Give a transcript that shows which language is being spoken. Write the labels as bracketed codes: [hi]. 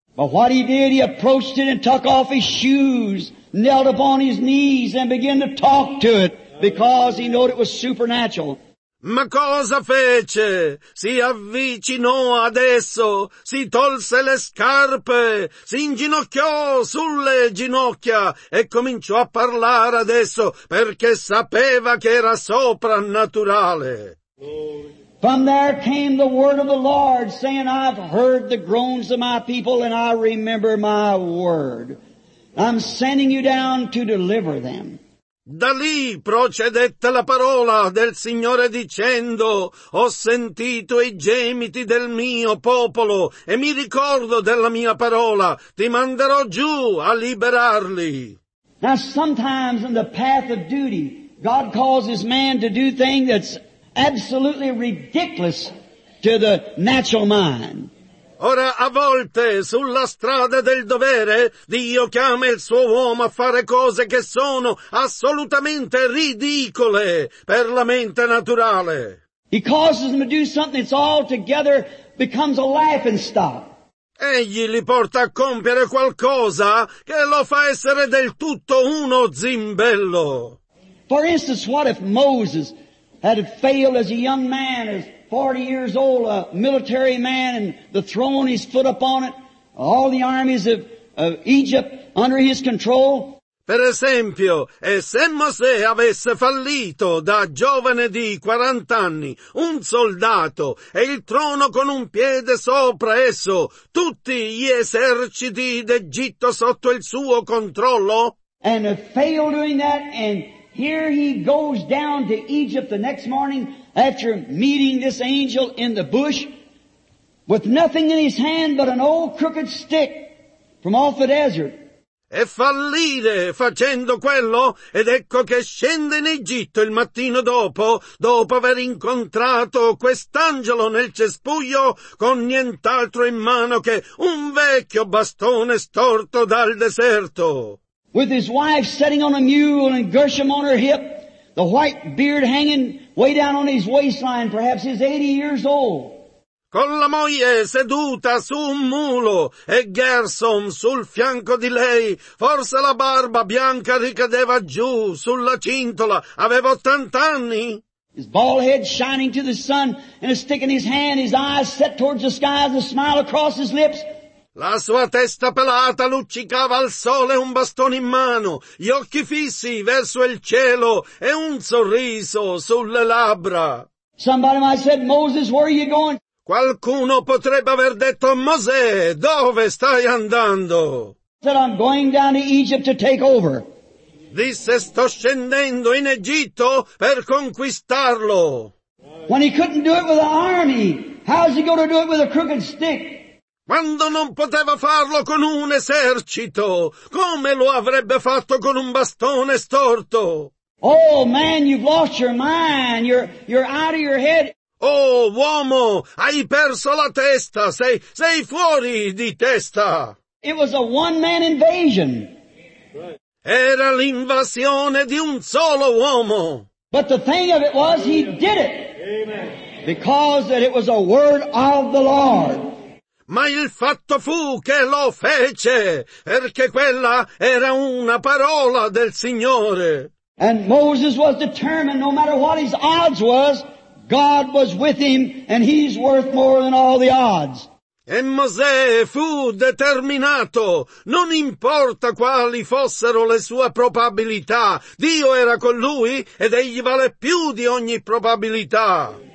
[en] But what he did, he approached it and took off his shoes, knelt upon his knees and began to talk to it because he knew it was supernatural. [it] Ma cosa fece? Si avvicinò ad esso, si tolse le scarpe, si inginocchiò sulle ginocchia e cominciò a parlare ad esso perché sapeva che era soprannaturale. [en] From there came the word of the Lord, saying, I've heard the groans of my people and I remember my word. I'm sending you down to deliver them. [it] Da lì procedette la parola del Signore dicendo, ho sentito i gemiti del mio popolo e mi ricordo della mia parola, ti manderò giù a liberarli. [en] Now sometimes in the path of duty, God causes man to do things that's absolutely ridiculous to the natural mind. [it] Ora, a volte, sulla strada del dovere, Dio chiama il suo uomo a fare cose che sono assolutamente ridicole per la mente naturale. [en] He causes them to do something that's altogether becomes a laughing stock. [it] Egli li porta a compiere qualcosa che lo fa essere del tutto uno zimbello. [en] For instance, what if Moses had failed as a young man, as 40 years old, a military man, and the throne his foot upon it, all the armies of Egypt under his control? [it] Per esempio, e se Mosè avesse fallito da giovane di 40 anni, un soldato, e il trono con un piede sopra esso, tutti gli eserciti d'Egitto sotto il suo controllo? [en] And had failed doing that, and here he goes down to Egypt the next morning after meeting this angel in the bush with nothing in his hand but an old crooked stick from off the desert. [it] E fallire facendo quello, ed ecco che scende in Egitto il mattino dopo, dopo aver incontrato quest'angelo nel cespuglio con nient'altro in mano che un vecchio bastone storto dal deserto. [en] With his wife sitting on a mule and Gershom on her hip, the white beard hanging way down on his waistline, perhaps he's 80 years old. [it] Con la moglie seduta su un mulo e Gershom sul fianco di lei, forse la barba bianca ricadeva giù sulla cintola, aveva 80 anni. [en] His bald head shining to the sun and a stick in his hand, his eyes set towards the skies, a smile across his lips. [it] La sua testa pelata luccicava al sole un bastone in mano, gli occhi fissi verso il cielo e un sorriso sulle labbra. [en] Somebody might say, Moses, where are you going? [it] Qualcuno potrebbe aver detto, Mosè, dove stai andando? [en] Said, I'm going down to Egypt to take over. [it] Disse, sto scendendo in Egitto per conquistarlo. [en] When he couldn't do it with an army, how's he going to do it with a crooked stick? [it] Quando non poteva farlo con un esercito, come lo avrebbe fatto con un bastone storto? [en] Oh, man, you've lost your mind. You're out of your head. [it] Oh, uomo, hai perso la testa. Sei fuori di testa. [en] It was a one-man invasion. [it] Era l'invasione di un solo uomo. [en] But the thing of it was, he did it. Amen. Because that it was a word of the Lord. [it] Ma il fatto fu che lo fece, perché quella era una parola del Signore. [en] And Moses was determined, no matter what his odds was, God was with him, and he's worth more than all the odds. E Mosè fu determinato, non importa quali fossero le sue probabilità, Dio era con lui, ed egli vale più di ogni probabilità.